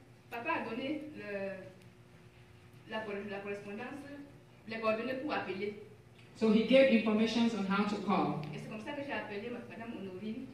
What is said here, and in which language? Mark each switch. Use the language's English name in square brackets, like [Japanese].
[French] Papa a donné la correspondance, les coordonnées pour appeler. [English] So he gave information on how to call. [French] Et c'est comme ça que j'ai appelé Madame Honorine.